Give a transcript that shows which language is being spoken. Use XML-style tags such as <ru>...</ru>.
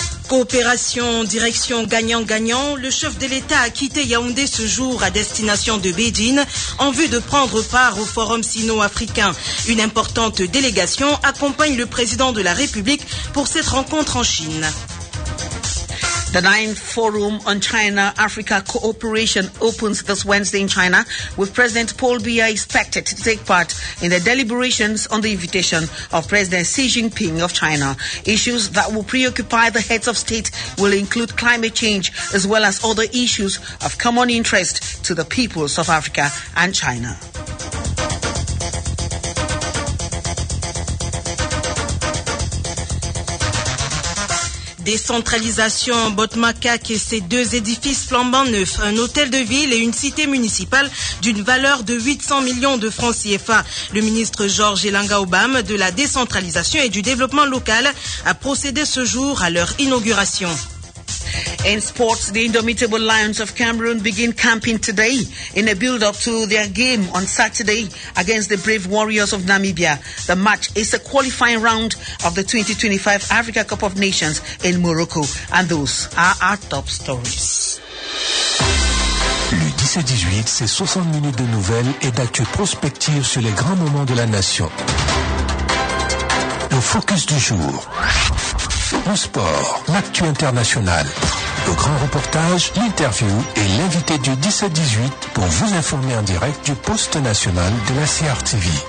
<fr>Coopération, direction gagnant-gagnant, le chef de l'État a quitté Yaoundé ce jour à destination de Bédin en vue de prendre part au Forum sino-africain. Une importante délégation accompagne le président de la République pour cette rencontre en Chine.</fr> <en>The 9th Forum on China-Africa Cooperation opens this Wednesday in China, with President Paul Biya expected to take part in the deliberations on the invitation of President Xi Jinping of China. Issues that will preoccupy the heads of state will include climate change as well as other issues of common interest to the peoples of Africa and China.</en> <fr>Décentralisation, Botmakak et ses deux édifices flambant neufs, un hôtel de ville et une cité municipale d'une valeur de 800 millions de francs CFA. Le ministre Georges Elanga Obam de la décentralisation et du développement local a procédé ce jour à leur inauguration.</fr> <en>In sports, the indomitable Lions of Cameroon begin camping today in a build-up to their game on Saturday against the Brave Warriors of Namibia. The match is a qualifying round of the 2025 Africa Cup of Nations in Morocco. And those are our top stories.</en> <fr>Le 17-18, c'est 60 minutes de nouvelles et d'actu prospective sur les grands moments de la nation. Le focus du jour. Le sport, l'actu international, le grand reportage, l'interview et l'invité du 17-18 pour vous informer en direct du poste national de la CRTV.</fr>